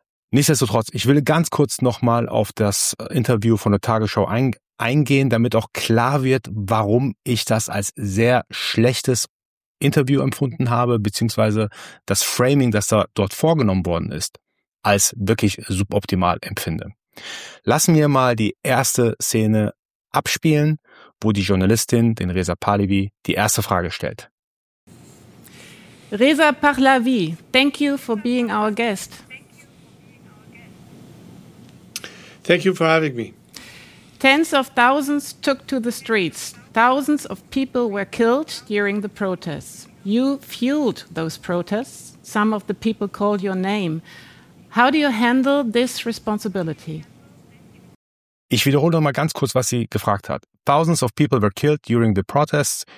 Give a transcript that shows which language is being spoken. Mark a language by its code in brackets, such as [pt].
[de] Nichtsdestotrotz, ich will ganz kurz nochmal auf das Interview von der Tagesschau eingehen, damit auch klar wird, warum ich das als sehr schlechtes Interview empfunden habe, beziehungsweise das Framing, das da dort vorgenommen worden ist, als wirklich suboptimal empfinde. Lassen wir mal die erste Szene abspielen, wo die Journalistin, den Reza Pahlavi, die erste Frage stellt. [en] Reza Pahlavi, thank you for being our guest. Thank you for having me. Tens of thousands took to the streets. Thousands of people were killed during the protests. You fueled those protests. Some of the people called your name. How do you handle this responsibility? [de] Ich wiederhole noch mal ganz kurz, was sie gefragt hat. [en] Thousands of people were killed during the protests.